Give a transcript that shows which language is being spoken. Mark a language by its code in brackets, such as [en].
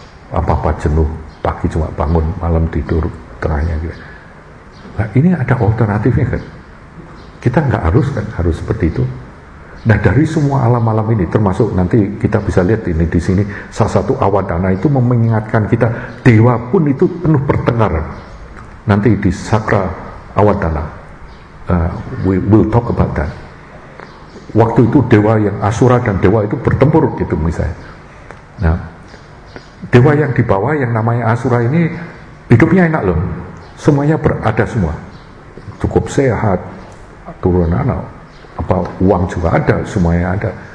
[id] Apa-apa jenuh, pagi cuma bangun, malam tidur, terangnya gitu. Nah, ini ada alternatifnya kan? Kita enggak harus kan harus seperti itu. Nah, dari semua alam-alam ini termasuk nanti kita bisa lihat ini di sini salah satu awadana itu mengingatkan kita dewa pun itu penuh pertengkaran. Nanti di sakra awadana [en] we will talk about that. [id] Waktu itu dewa yang asura dan dewa itu bertempur gitu misalnya. Nah, dewa yang di bawah yang namanya asura ini hidupnya enak loh. Semuanya berada semua. Cukup sehat. Turunan apa uang juga ada, semuanya ada.